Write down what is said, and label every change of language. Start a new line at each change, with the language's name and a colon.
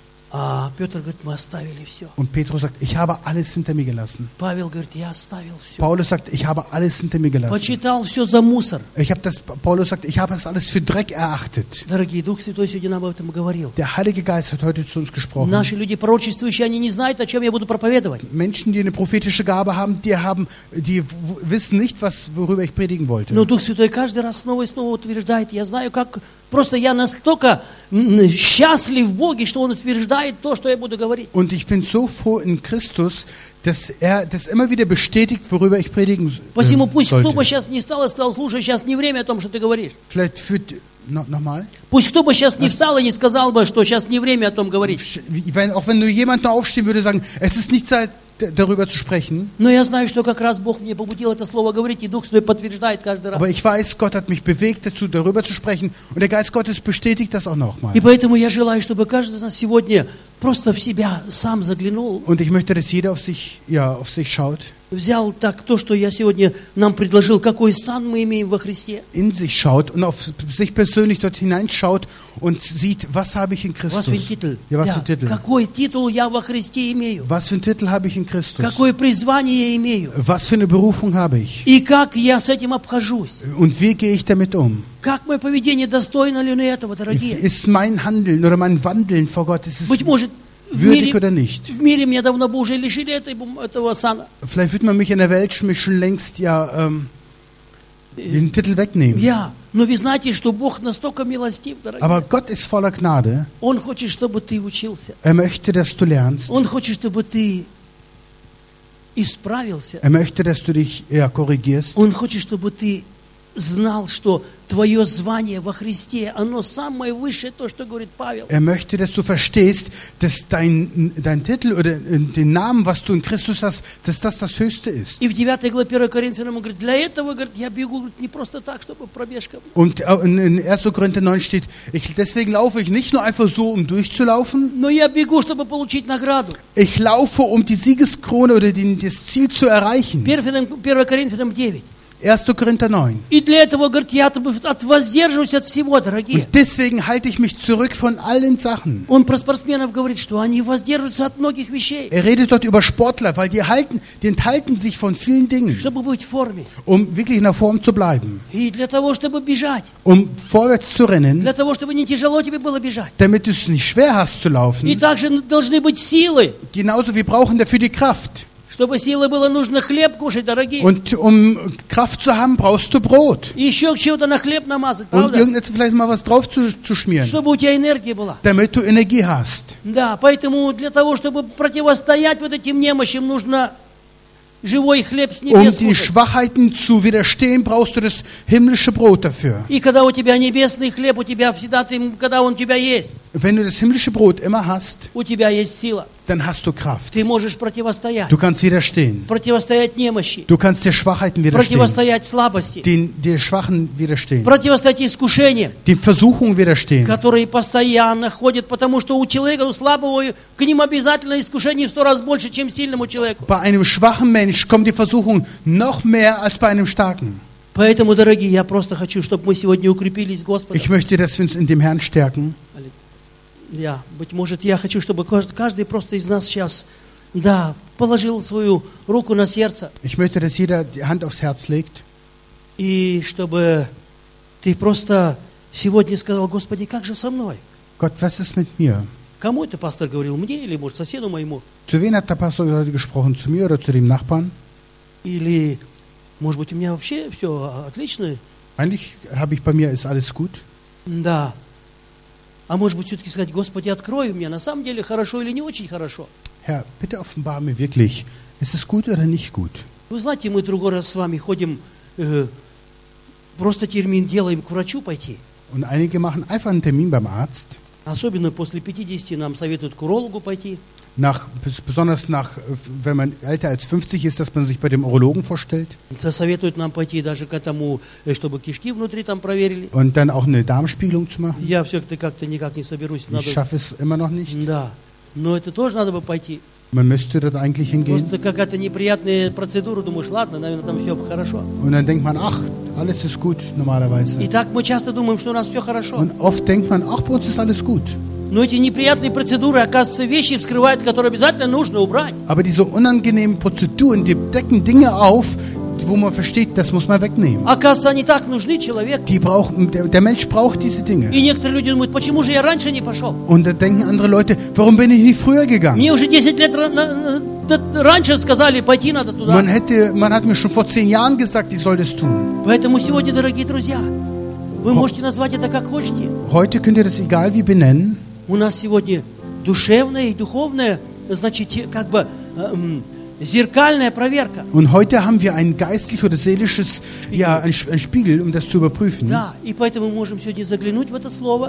Russian: А Петр говорит, мы оставили все.
German: Und Petrus sagt, ich habe alles hinter mir gelassen.
Russian: Павел говорит, я оставил все.
German: Paulus sagt, ich habe alles hinter mir gelassen.
Russian: Почитал все за мусор.
German: Paulus sagt, ich habe das alles für Dreck erachtet.
Russian: Дорогие, Дух Святой сегодня нам об этом говорил.
German: Der Heilige Geist hat heute zu uns gesprochen.
Russian: Наши люди пророчествующие, они не знают, о чем я буду проповедовать.
German: Menschen, die eine prophetische Gabe haben, die wissen nicht, worüber ich predigen wollte.
Russian: Но Дух Святой каждый раз снова и снова утверждает, я знаю, как. Просто я настолько счастлив в Боге, что Он утверждает то, что я буду говорить.
German: Und ich bin so froh in Christus, dass das immer wieder bestätigt, worüber ich predigen sollte.
Russian: Посему пусть кто бы сейчас не встал и сказал, слушай, сейчас не время о том, что ты говоришь.
German: Vielleicht führt nochmal.
Russian: Пусть кто бы сейчас не встал и не сказал бы, что сейчас не время о том говорить.
German: Auch wenn nur jemand da aufstehen würde, sagen, es ist nicht Zeit, darüber zu sprechen.
Russian: Но я знаю, что как раз Бог мне побудил это слово говорить, и Дух Святой подтверждает каждый раз.
German: Aber ich weiß, Gott hat mich bewegt dazu, darüber zu sprechen, und der Geist Gottes bestätigt das auch nochmal.
Russian: И поэтому я желаю, чтобы каждый из нас сегодня просто в себя сам заглянул.
German: Und ich möchte, dass jeder auf sich schaut.
Russian: Взял так то, что я сегодня нам предложил, какой сан мы имеем во Христе.
German: In sich schaut und auf sich persönlich dort hineinschaut und sieht, was habe ich in Christus. Was für ein Titel? Ja, was für Titel?
Russian: Какой титул я во Христе имею?
German: Was für ein Titel habe ich in Christus?
Russian: Какое призвание я имею?
German: Was für eine Berufung habe ich?
Russian: И как я с этим обхожусь?
German: Und wie gehe ich damit um?
Russian: Как мое поведение достойно ли этого, дорогие?
German: Ist mein Handeln oder mein Wandeln vor Gott, ist es...
Russian: Быть может,
German: würdig oder nicht?
Russian: В мире меня давно бы уже лишили этого сана.
German: Vielleicht würde man mich in der Welt schon längst den Titel wegnehmen. Ja,
Russian: но вы знаете, что Бог настолько милостив, дорогие.
German: Aber Gott ist voller Gnade.
Russian: Он хочет, чтобы ты учился.
German: Er möchte, dass du lernst.
Russian: Он хочет, чтобы ты исправился.
German: Er möchte, dass du dich korrigierst.
Russian: Он хочет, чтобы ты знал, что твое звание во Христе, оно самое высшее, то, что говорит Павел.
German: Er möchte, dass du verstehst, dass dein Titel oder den Namen, was du in Christus hast, dass das höchste ist.
Russian: И в 9 главе 1 Коринфянам он говорит, для этого, говорит, я бегу, говорит, не просто так, чтобы пробежка.
German: Und in 1. Korinther 9 steht, deswegen laufe ich nicht nur einfach so, durchzulaufen.
Russian: Но я бегу, чтобы получить награду.
German: Ich laufe, die Siegeskrone oder das Ziel zu erreichen.
Russian: 1. Коринфянам 9.
German: 1. Korinther 9.
Russian: И для этого, говорит, я от воздерживаюсь от всего, дорогие.
German: Und deswegen halte ich mich zurück von allen Sachen.
Russian: Он про спортсменов говорит, что они воздерживаются от многих вещей.
German: Er redet dort über Sportler, weil die enthalten sich von vielen Dingen.
Russian: Чтобы быть в форме.
German: Um wirklich in der Form zu bleiben.
Russian: И для того, чтобы бежать.
German: Um vorwärts zu rennen.
Russian: Для того, чтобы не тяжело тебе было бежать.
German: Damit du es nicht schwer hast zu laufen.
Russian: И также должны быть силы.
German: Genauso, wir brauchen dafür die Kraft.
Russian: Чтобы силы было, нужно хлеб кушать, дорогие.
German: Und Kraft zu haben, brauchst du Brot.
Russian: И еще чего-то на хлеб намазать, правда?
German: Und irgendetwas vielleicht mal was drauf zu schmieren.
Russian: Чтобы у тебя энергия была.
German: Damit du Energie hast.
Russian: Да, поэтому для того, чтобы противостоять вот этим немощам, нужно живой хлеб с небес кушать.
German: Um die Schwachheiten zu widerstehen, brauchst du das himmlische Brot dafür.
Russian: И когда у тебя небесный хлеб, у тебя всегда, когда он у тебя есть.
German: Wenn du das himmlische Brot immer hast,
Russian: у тебя есть сила.
German: Dann hast du Kraft.
Russian: Ты можешь противостоять.
German: Du kannst widerstehen.
Russian: Противостоять немощи.
German: Du kannst der Schwachheiten widerstehen.
Russian: Противостоять слабости.
German: Den Schwachen widerstehen.
Russian: Противостоять искушениям.
German: Den Versuchungen widerstehen.
Russian: Которые постоянно ходят, потому что у человека, у слабого, к ним обязательно искушение в 100 раз больше, чем сильному человеку.
German: Bei einem schwachen Mensch kommt die Versuchung noch mehr als bei einem starken.
Russian: Поэтому, дорогие, я просто хочу, чтобы мы сегодня укрепились в Господе.
German: Ich möchte, dass wir uns in dem Herrn stärken.
Russian: Я, быть может, я хочу, чтобы каждый просто из нас сейчас, да, положил свою руку на сердце.
German: Ich möchte, dass jeder die Hand aufs Herz legt.
Russian: И чтобы ты просто сегодня сказал: Господи, как же со мной?
German: Gott, was ist mit mir?
Russian: Кому это пастор говорил? Мне или, может, соседу моему?
German: Zu wem hat der Pastor gesprochen? Zu mir oder zu dem Nachbarn?
Russian: Или, может быть, у меня вообще все отлично?
German: Eigentlich habe ich bei mir ist alles gut.
Russian: Да. А может быть, все-таки сказать: Господи, открой мне, на самом деле хорошо или не очень хорошо?
German: Herr, bitte offenbar mir wirklich, ist es gut oder nicht gut?
Russian: Вы знаете, мы другой раз с вами ходим, просто термин делаем, к врачу пойти.
German: Und einige machen einfach einen Termin beim Arzt.
Russian: Особенно после 50 нам советуют к урологу пойти.
German: Nach, besonders nach, wenn man älter als 50 ist, dass man sich bei dem Urologen vorstellt. Das
Russian: советуют нам пойти даже к этому, чтобы кишки внутри там проверили.
German: Und dann auch eine Darmspiegelung zu machen.
Russian: Я все-таки как-то никак не соберусь.
German: Ich schaffe es immer noch nicht.
Russian: Да. Но это тоже надо бы пойти.
German: Man müsste dort eigentlich hingehen.
Russian: Просто какая-то неприятная процедура, думаешь, ладно, наверное, там все хорошо.
German: Und dann denkt man, ach, alles ist gut, normalerweise.
Russian: И так мы часто думаем, что у нас все хорошо.
German: Und oft denkt man, ach, bei uns ist alles gut.
Russian: Но эти неприятные процедуры, оказывается, вещи вскрывают, которые обязательно нужно убрать.
German: Aber diese unangenehmen Prozeduren, die decken Dinge auf, wo man versteht, das muss man wegnehmen.
Russian: Оказывается, они так нужны человеку.
German: Die brauchen, der Mensch braucht diese Dinge.
Russian: И некоторые люди думают, почему же я раньше не пошел?
German: Und dann denken andere Leute, warum bin ich nicht früher gegangen?
Russian: Мне уже 10 лет раньше сказали, пойти надо туда.
German: Man hat mir schon vor 10 Jahren gesagt, ich soll das tun.
Russian: Поэтому сегодня, дорогие друзья, вы можете назвать это как хотите.
German: Heute könnt ihr das egal wie benennen.
Russian: У нас сегодня душевная и духовная, значит, как бы зеркальная проверка.
German: Und heute haben wir ein geistliches oder seelisches, ja, ein Spiegel, um das zu überprüfen.
Russian: Да, и поэтому мы можем сегодня заглянуть в это слово.